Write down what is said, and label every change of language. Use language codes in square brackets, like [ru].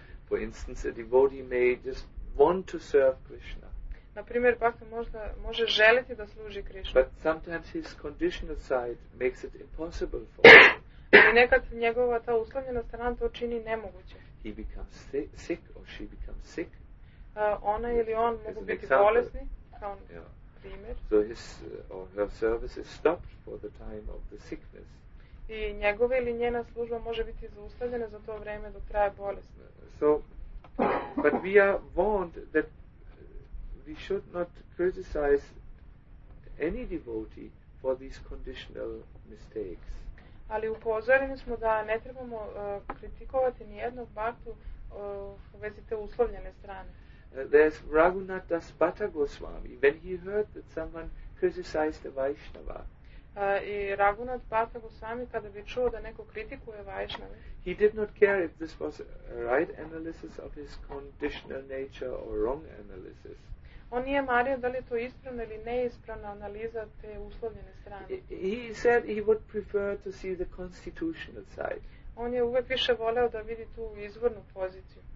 [en] For instance, a devotee may just want to serve Krishna. [sr] Na primjer, bhakta može želiti da služi Krishna. [en] But sometimes his conditional side makes it impossible for him. [sr] I nekad njegova ta uslovljena strana to čini nemoguće. [en] He becomes sick or she becomes sick. [sr] Ona ili on mogu biti bolesni, kao primjer. [en] So his or her service is stopped for the time of the sickness. [sr] I njegova ili njena služba može biti zaustavljena za to vrijeme dok traje bolest. [en] So, but we are warned that we should not criticize any devotee for these conditional mistakes. [sr] Ali upozoreni smo da ne trebamo kritikovati ni jednog bhaktu u vezi te uslovljene strane. [en] There's Raghunath Das Bhatta Goswami, when he heard that someone criticized a Vaishnava. [sr] I Raghunath Bhatta Goswami, kada bi čuo da neko kritikuje Vaishnava. [en] He did not care if this was a right analysis of his conditional nature or wrong analysis. [sr] On nije mario da li to ispravna ili neispravna analiza te uslovljene strane. [en] He said he would prefer to see the constitutional side. [sr] On je uvek više voleo da vidi tu izvornu poziciju.